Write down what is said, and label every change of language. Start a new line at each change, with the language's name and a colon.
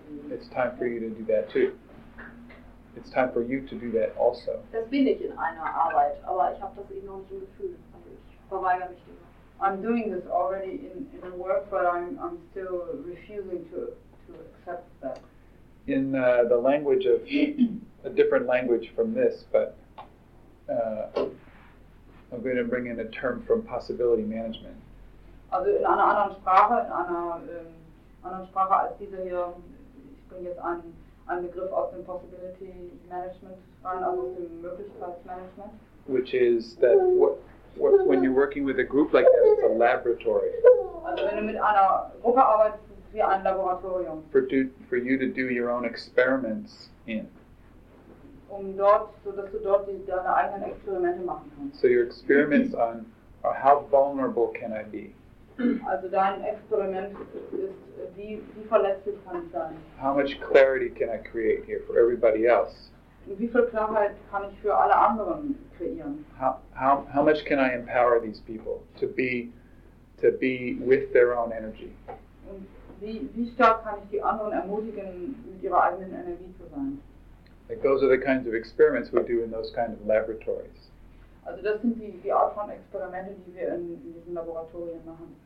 English: It's time for you to do that too. It's time for you to do that also.
German: Das bin ich in einer Arbeit, aber ich habe das eben noch nicht im Gefühl. Also ich verweigere mich dem.
English: I'm doing this already in the work, but I'm still refusing to accept that. In the language of a different language from this, but I'm going to bring in a term from possibility management.
German: Also in einer anderen Sprache, in einer anderen Sprache als diese hier, ich bringe jetzt einen Begriff aus dem Possibility Management rein, also aus dem Möglichkeitsmanagement.
English: Which is that when you're working with a group like that, it's a laboratory.
German: Also wenn du mit einer Gruppe arbeitest, wie ein Laboratorium.
English: For you to do your own experiments in.
German: Sodass du dort deine eigenen Experimente machen kannst.
English: So your experiments on how vulnerable can I be?
German: Also dein Experiment ist, wie verletzlich kann ich sein?
English: How much clarity can I create here for everybody else?
German: Wie viel Klarheit kann ich für alle anderen kreieren?
English: How much can I empower these people to be with their own energy?
German: Wie stark kann ich die anderen ermutigen, mit ihrer eigenen Energie zu sein?
English: Like those are the kinds of experiments we do in those kind of laboratories.
German: Also das sind die Art von Experimente, die wir in diesen Laboratorien machen.